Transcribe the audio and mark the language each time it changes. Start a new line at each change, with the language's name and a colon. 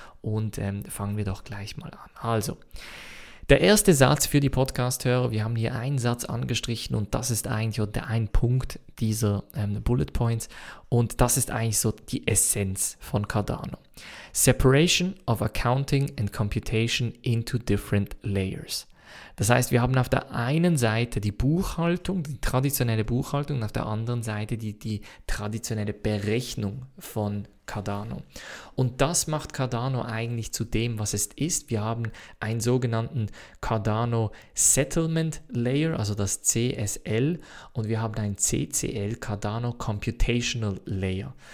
German: Und fangen wir doch gleich mal an. Also, der erste Satz für die Podcast-Hörer, wir haben hier einen Satz angestrichen und das ist eigentlich der ein Punkt dieser Bullet Points und das ist eigentlich so die Essenz von Cardano.
English: Separation of accounting and computation into different layers.
German: Das heißt, wir haben auf der einen Seite die Buchhaltung, die traditionelle Buchhaltung und auf der anderen Seite die traditionelle Berechnung von Cardano. Und das macht Cardano eigentlich zu dem, was es ist. Wir haben einen sogenannten Cardano Settlement Layer, also das CSL, und wir haben ein CCL, Cardano Computational Layer.